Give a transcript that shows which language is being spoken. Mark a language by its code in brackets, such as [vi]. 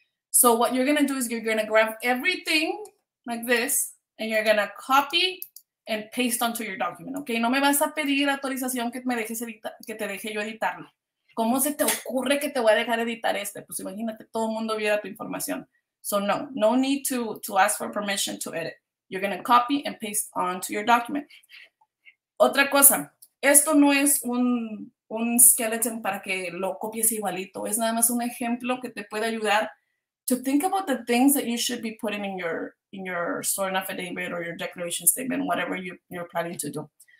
[en] So what you're going to do is you're going to grab everything like this and you're going to copy and paste onto your document, ¿ok? [es] No me vas a pedir autorización que me dejes que te deje yo editarlo. ¿Cómo se te ocurre que te voy a dejar editar este? Pues imagínate, todo el mundo viera tu información. [en] So no need to ask for permission to edit. You're going to copy and paste onto your document. [es] Otra cosa, esto no es un skeleton para que lo copies igualito. Es nada más un ejemplo que te puede ayudar [en] to think about the things that you should be putting in your sworn affidavit or your declaration statement, whatever you're planning to do.